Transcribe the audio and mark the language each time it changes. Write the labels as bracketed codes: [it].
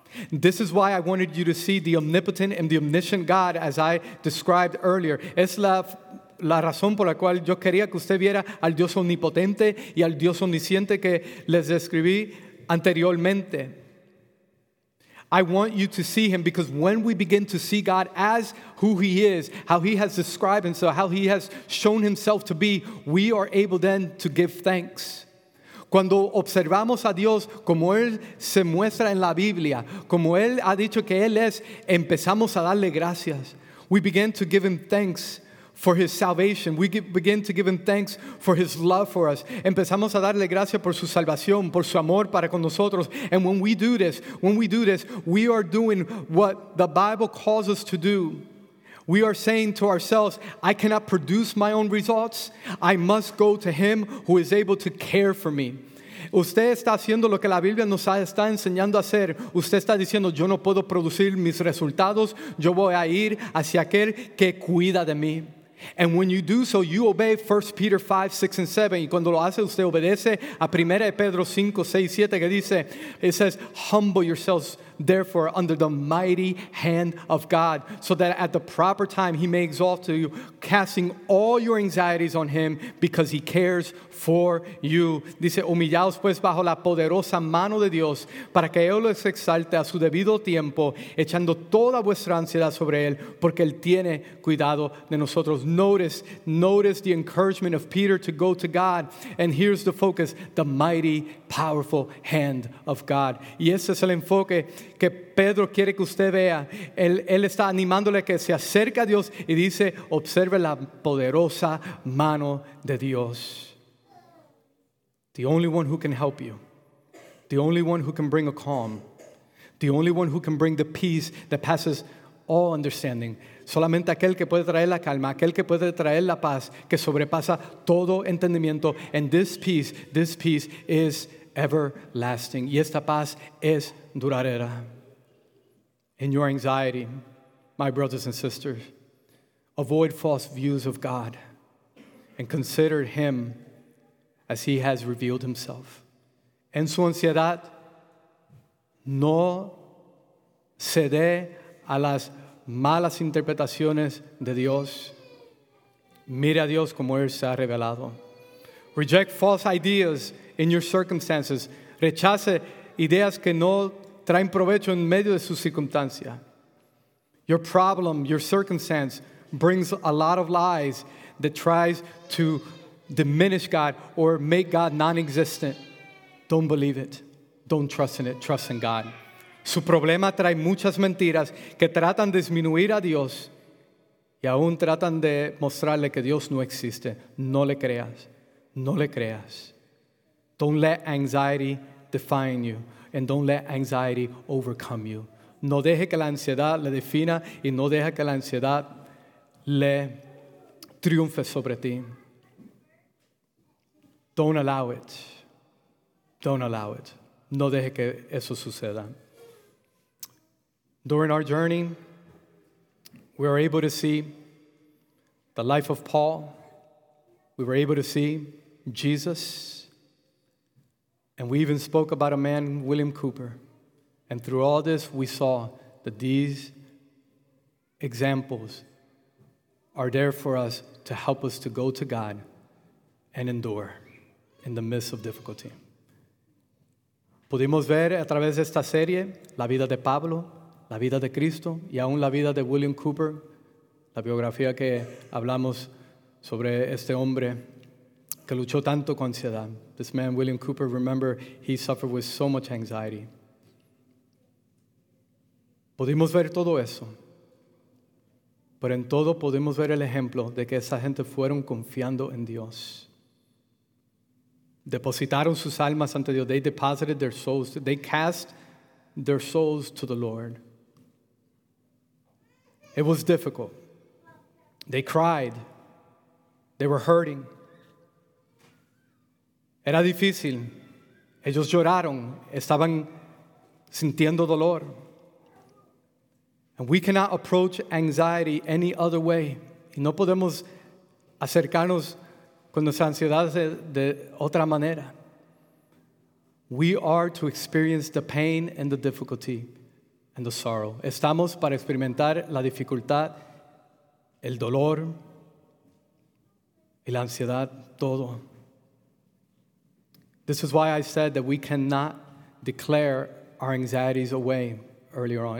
[en] This is why I wanted you to see the omnipotent and the omniscient God as I described earlier. [es] Es la razón por la cual yo quería que usted viera al Dios omnipotente y al Dios omnisciente que les describí anteriormente. [en] I want you to see him because when we begin to see God as who he is, how he has described himself, how he has shown himself to be, we are able then to give thanks. [es] Cuando observamos a Dios como él se muestra en la Biblia, como él ha dicho que él es, empezamos a darle gracias. [en] We begin to give him thanks for his salvation. We begin to give him thanks for his love for us. [es] Empezamos a darle gracias por su salvación, por su amor para con nosotros. [en] And when we do this, we are doing what the Bible calls us to do. We are saying to ourselves, I cannot produce my own results. I must go to him who is able to care for me. [es] Usted está haciendo lo que la Biblia nos está enseñando a hacer. Usted está diciendo, yo no puedo producir mis resultados. Yo voy a ir hacia aquel que cuida de mí. [en] And when you do so, you obey 1 Peter 5, 6, and 7. [es] Y cuando lo hace, usted obedece a 1 Pedro 5, 6, 7, que dice, [en] it says, humble yourselves, therefore, under the mighty hand of God, so that at the proper time he may exalt you, casting all your anxieties on him, because he cares for you. [es] Dice, humillaos pues bajo la poderosa mano de Dios, para que él los exalte a su debido tiempo, echando toda vuestra ansiedad sobre él, porque él tiene cuidado de nosotros. [en] Notice the encouragement of Peter to go to God. And here's the focus, the mighty, powerful hand of God. [es] Y ese es el enfoque que Pedro quiere que usted vea. Él está animándole que se acerque a Dios y dice, observe la poderosa mano de Dios. [en] The only one who can help you. The only one who can bring a calm. The only one who can bring the peace that passes all understanding. [es] Solamente aquel que puede traer la calma, aquel que puede traer la paz, que sobrepasa todo entendimiento. [en] And this peace is everlasting. [es] Y esta paz es duradera. [en] In your anxiety, my brothers and sisters, avoid false views of God and consider him as he has revealed himself. [es] En su ansiedad, no cede a las malas interpretaciones de Dios. Mira a Dios como él se ha revelado. [en] Reject false ideas in your circumstances. [es] Rechace ideas que no traen provecho en medio de su circunstancia. [en] Your problem, your circumstance brings a lot of lies that tries to diminish God or make God non-existent. Don't believe it. Don't trust in it. Trust in God. [es] Su problema trae muchas mentiras que tratan de disminuir a Dios y aún tratan de mostrarle que Dios no existe. No le creas. No le creas. [en] Don't let anxiety define you and don't let anxiety overcome you. [es] No deje que la ansiedad le defina y no deje que la ansiedad le triunfe sobre ti. [en] Don't allow it. Don't allow it. [es] No deje que eso suceda. [en] During our journey, we are able to see the life of Paul. We were able to see Jesus. And we even spoke about a man, William Cooper. And through all this, we saw that these examples are there for us to help us to go to God and endure in the midst of difficulty. [es] Pudimos ver a través de esta serie la vida de Pablo, la vida de Cristo y aún la vida de William Cooper, la biografía que hablamos sobre este hombre que luchó tanto con ansiedad. [en] This man, William Cooper, remember, he suffered with so much anxiety. [es] Pudimos ver todo eso, pero en todo podemos ver el ejemplo de que esa gente fueron confiando en Dios. Depositaron sus almas ante Dios. [en] They deposited their souls. They cast their souls to the Lord. It was difficult. They cried. They were hurting. [es] Era difícil. Ellos lloraron. Estaban sintiendo dolor. [en] And we cannot approach anxiety any other way. [es] Y no podemos acercarnos con nuestra ansiedad de otra manera. [en] We are to experience the pain and the difficulty and the sorrow. [es] Estamos para experimentar la dificultad, el dolor y la ansiedad, todo. [en] This is why I said that we cannot declare our anxieties away earlier on.